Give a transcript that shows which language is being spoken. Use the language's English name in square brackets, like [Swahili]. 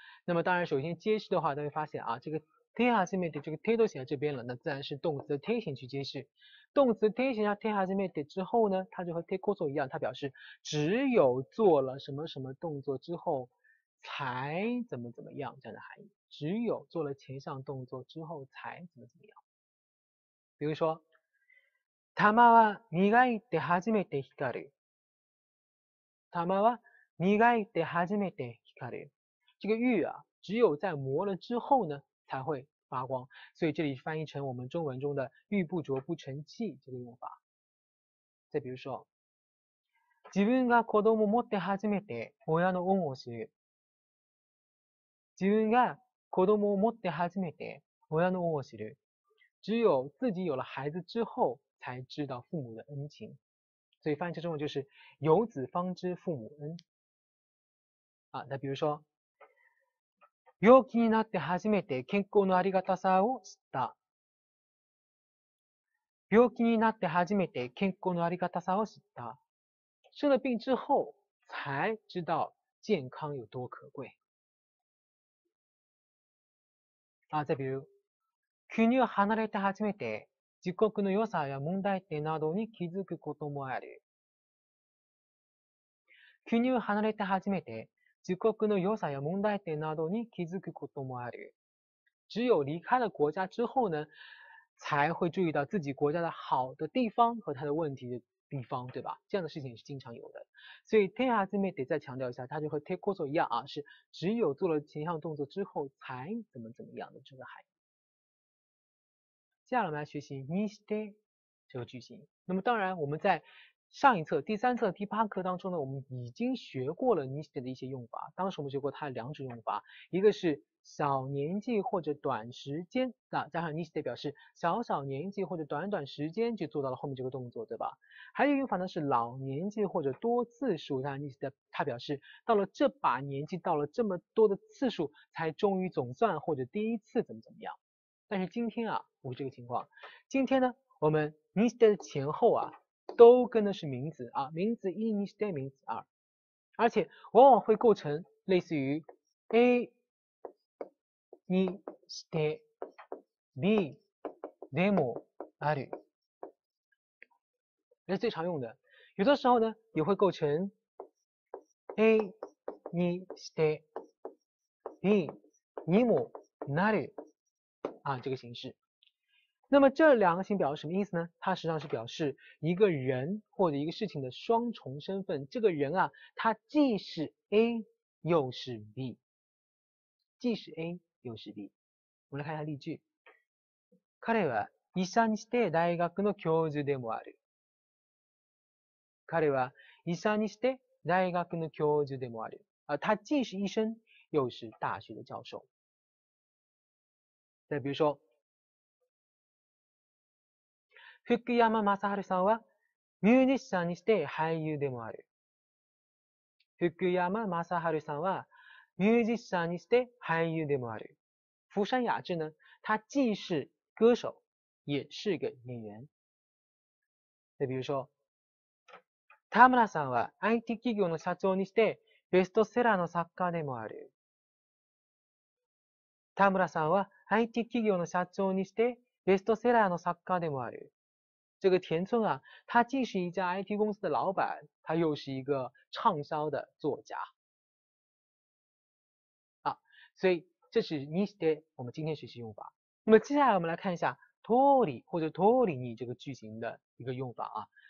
[Chinese] 那么当然首先揭示的话，大家发现啊，这个 te hajimete 这个 te 都写在这边了，那自然是动词的 te 型去揭示。动词 te 形成 te hajimete 之后呢，它就和 te coso 一样，它表示只有做了什么什么动作之后才怎么怎么样这样的含义。只有做了前项动作之后才怎么怎么样。比如说， [Japanese] 玉は磨いて初めて光る。玉は磨いて初めて光る。 [Chinese] 这个玉啊，只有在磨了之后呢才会发光，所以这里翻译成我们中文中的“玉不琢不成器”这个用法。再比如说， [Japanese] 自分が子供を持って初めて親の恩を知る。自分が子供を持って初めて親の恩を知る。 [Chinese] 只有自己有了孩子之后才知道父母的恩情。所以翻译成中文就是有子方知父母恩。啊，那比如说， [Japanese] 病気になって初めて健康のありがたさを知った。病気になって初めて健康のありがたさを知った。 [Chinese] 生了病之后才知道健康有多可贵。 [Japanese] あ、 [Chinese] 再比如、 [Japanese] 国を離れて初めて、自国の良さや問題点などに気づくこともある。国を離れて初めて、自国の良さや問題点などに気づくこともある。 [Chinese] 只有離開了国家之后呢、才会注意到自己国家的好的地方和它的问题的地方、对吧？这样的事情是经常有的。所以、て初めて再强调一下、它就和てこそ一样啊、是、只有做了前项动作之后、才、怎么怎么样的这个含义。接下来我们来学习、にして、这个句型。那么当然、我们在上一册、第三册、第八课当中呢、我们已经学过了にして的一些用法。当时我们学过它的两种用法。一个是、小年纪或者短时间、那加上にして表示、小小年纪或者短短时间就做到了后面这个动作、对吧？还有一个用法呢是老年纪或者多次数，那你的它表示到了这把年纪，到了这么多的次数，才终于总算或者第一次怎么怎么样。但是今天啊，不是这个情况。今天呢，我们にして的前后啊，都跟的是名词啊，名词一にして名词二，而且往往会构成类似于 A にして B でもある。这是最常用的，有的时候呢也会构成 A にして B にもなる啊这个形式。那么这两个形表示什么意思呢？它实际上是表示一个人或者一个事情的双重身份。这个人啊，他既是 A 又是 B， 既是 A 又是 B。我们来看一下例句。 [Japanese] 彼は医者にして大学の教授でもある。彼は医者にして大学の教授でもある。 [Chinese] 啊，他既是医生，又是大学的教授。再比如说， [Japanese] 福山雅治さんはミュージシャンにして俳優でもある。福山雅治さんはミュージシャンにして俳優でもある。 [Chinese] 福山雅治呢，他既是歌手，也是个演员。再比如说。 [Japanese] 田村さんは IT 企業の社長にしてベストセラーの作家でもある。田村さんは IT 企業の社長にしてベストセラーの作家でもある。 [Chinese] 这个田村啊，他既是一家 IT 公司的老板，他又是一个畅销的作家。啊，所以这是にして我们今天学习用法。那么接下来我们来看一下通り或者通りに这个句型的一个用法啊。